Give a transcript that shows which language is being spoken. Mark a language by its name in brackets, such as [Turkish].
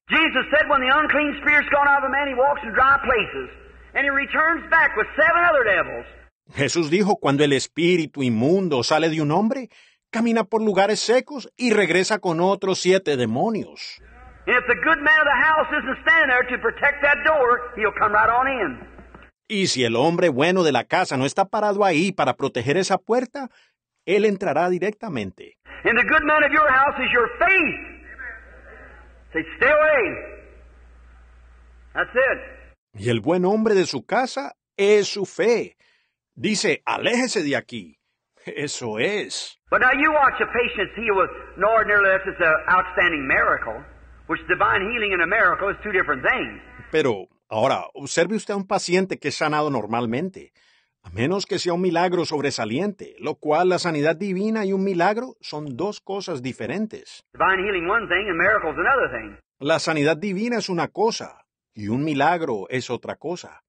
[English] Jesus said when the unclean spirit's gone out of a man, he walks in dry places, and he returns back with seven other devils. [Spanish] Jesús dijo, cuando el espíritu inmundo sale de un hombre, camina por lugares secos y regresa con otros siete demonios. [English] If the good man of the house isn't standing there to protect that door, he'll come right on in. [Spanish] Y si el hombre bueno de la casa no está parado ahí para proteger esa puerta, él entrará directamente. [English] And the good man of your house is your faith. Say, stay away. That's it. [Spanish] Y el buen hombre de su casa es su fe. Dice, aléjese de aquí. Eso es. [English] But now you watch a patient heal with no ordinary lift. It's an outstanding miracle. Which divine healing and a miracle is two different things. [Spanish] Pero ahora, observe usted a un paciente que es sanado normalmente, a menos que sea un milagro sobresaliente, lo cual la sanidad divina y un milagro son dos cosas diferentes. [English] Divine healing one thing and miracles another thing. [Spanish] La sanidad divina es una cosa y un milagro es otra cosa.